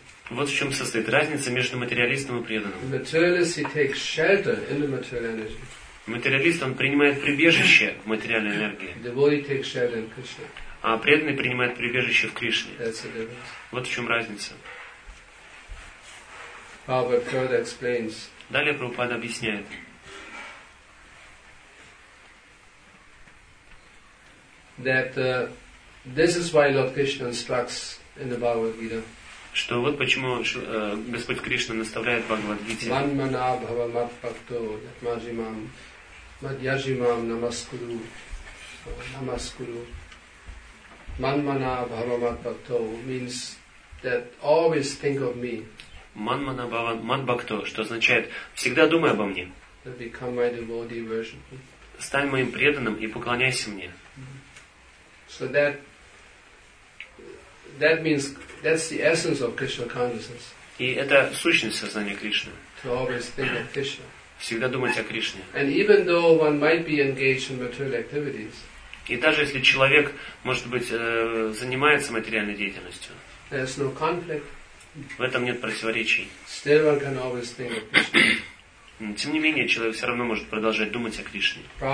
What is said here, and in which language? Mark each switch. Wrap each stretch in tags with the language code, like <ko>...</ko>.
<ru>Вот в чем состоит разница между материалистом и преданным. Материалист, он принимает прибежище в материальной энергии. А преданный принимает прибежище в Кришне. Вот в чем разница.</ru> <en>Prabhupada further explains.</en> <ru>Далее Прабхупада объясняет.</ru> <en>That this is why Lord Krishna instructs in the Bhagavad Gita.</en> <ru>Что вот почему Господь Кришна наставляет в Бхагавад Гите.</ru> <sa>Ван мана бхава мат бхакто ятмажимам мадьяжимам намаскуру намаскуру. Ван мана бхава мат бхакто</sa> <en>means that always think of me.</en> <sa>Манмана Бхава Мадбхакто,</sa> <ru>что означает «всегда думай обо мне».</ru> <en>Become my devotee, worship me.</en> <ru>стань моим преданным и поклоняйся мне.</ru> <en>So that means that's the essence of Krishna consciousness.</en> <ru>И это сущность сознания Кришны.</ru> <en>To always think of Krishna.</en> <ru>Всегда думать о Кришне.</ru> <en>And even though one might be engaged in material activities.</en> <ru>И даже если человек, может быть, занимается материальной деятельностью,</ru> <en>there's no conflict.</en> <ru>В этом нет противоречий.</ru> <en>Still one can always think of Krishna.</en> <ru>Тем не менее, человек все равно может продолжать думать о Кришне.</ru>